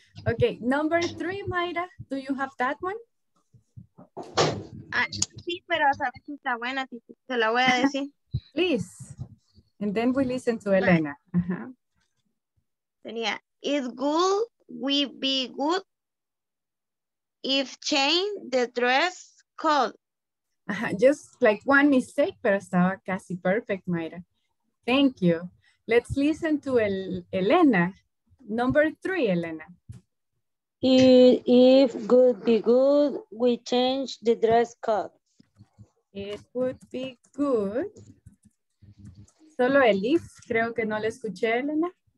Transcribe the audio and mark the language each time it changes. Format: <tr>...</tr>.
<en>Okay, number three, Mayra, do you have that one?</en> <es>Sí, pero sabes que está buena, te la voy a decir.</es> <en>Please, and then we listen to Elena.</en> <es>Tenía,</es> <en>it would we be good if change the dress code? Just like one mistake,</en> <es>pero estaba casi</es> <en>perfect, Mayra. Thank you. Let's listen to Elena. Number three, Elena. If would be good, we change the dress code. It would be good.</en> <es>Solo el if, creo que no le escuché, Elena.</es>